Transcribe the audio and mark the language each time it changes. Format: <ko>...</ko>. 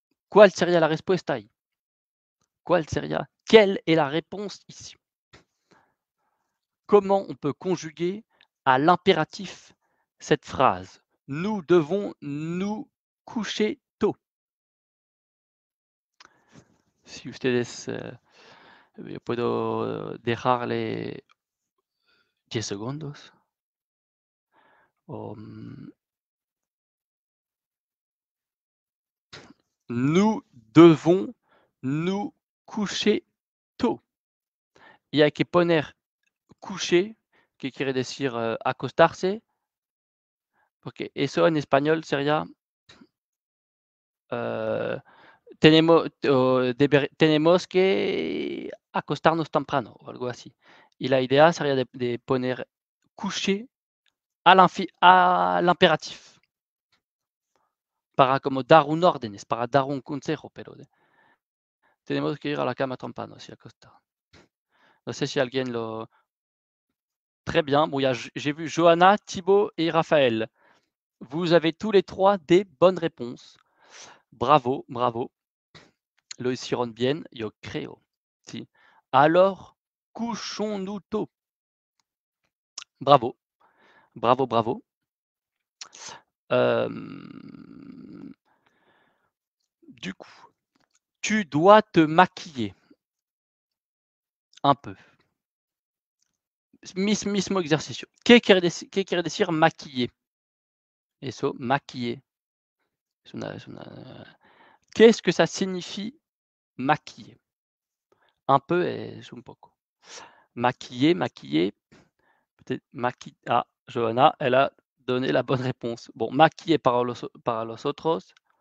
<fr>Quelle serait la réponse ici? Quelle est la réponse ici? Comment on peut conjuguer à l'impératif cette phrase? Nous devons nous coucher.</fr> <es>Si ustedes, yo puedo dejarle 10 segundos.</es> <fr>Nous devons nous coucher tôt.</fr> <es>Y hay que poner coucher, que quiere decir acostarse. Okay. Eso en español sería tenemos que acostarnos temprano o algo así. Y la idea sería de poner coucher</es> <fr>à l'impératif.</fr> <es>Para como dar un orden, es para dar un consejo, pero tenemos que ir a la cama temprano, si acostar. No sé si alguien lo.</es> <fr>Très bien. Bon, j'ai vu Johanna, Thibaut et Raphaël. Vous avez tous les trois des bonnes réponses. Bravo, bravo.</fr> <es>Lo hicieron bien, yo creo. Si.</es> <fr>Alors, couchons-nous tôt. Bravo. Bravo, bravo. Du coup, tu dois te maquiller. Un peu.</fr> <es>Mismo exercicio. ¿Qué quiere decir maquiller? Eso, maquiller.</es> <fr>Qu'est-ce que ça signifie maquiller? Un peu</fr> <es>es un poco.</es> <fr>Maquiller, maquiller. Peut-être maquiller. Ah, Johanna, elle a donné la bonne réponse.</fr> <es>Bon, maquiller para los otros.</es>